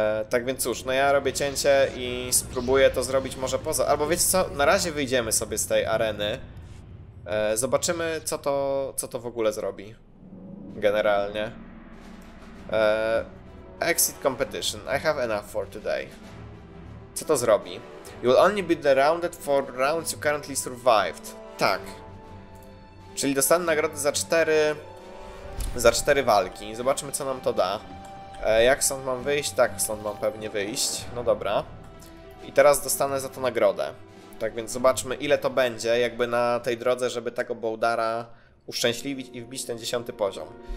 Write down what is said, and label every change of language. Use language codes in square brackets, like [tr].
[pl] Tak więc cóż, no ja robię cięcie i spróbuję to zrobić może poza... Albo wiecie co, na razie wyjdziemy sobie z tej areny. Zobaczymy co to w ogóle zrobi. Generalnie. [en] Exit competition, I have enough for today. [pl] Co to zrobi? [en] You will only be derounded for rounds you currently survived. [pl] Tak. Czyli dostanę nagrodę za 4... Za 4 walki. Zobaczmy co nam to da. Jak stąd mam wyjść? Tak, stąd mam pewnie wyjść. No dobra. I teraz dostanę za to nagrodę. Tak więc zobaczmy ile to będzie jakby na tej drodze, żeby tego Boldara uszczęśliwić i wbić ten 10 poziom.